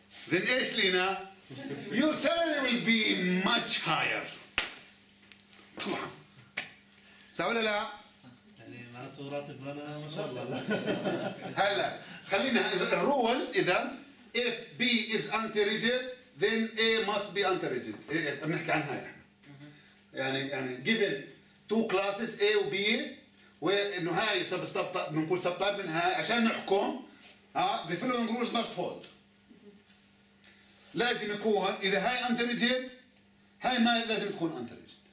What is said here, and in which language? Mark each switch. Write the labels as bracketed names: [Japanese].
[English] Then [Arabic] إيش لينا؟ [English] Your salary will be much higher. [Arabic] طبعا. صح ولا لا؟ يعني معناته راتب رنا ما شاء الله. هلا خلينا الرولز اذا [English] if B is anti-rigid then A must be anti-rigid. [Arabic] بنحكي عنها احنا. يعني [English] given two classes A [Arabic] و B وانه هاي بنقول سبتايب من هاي عشان نحكم [English] the following rules must hold. [Arabic] لازم يكون اذا هاي انتريجيت هاي ما لازم تكون انتريجيت.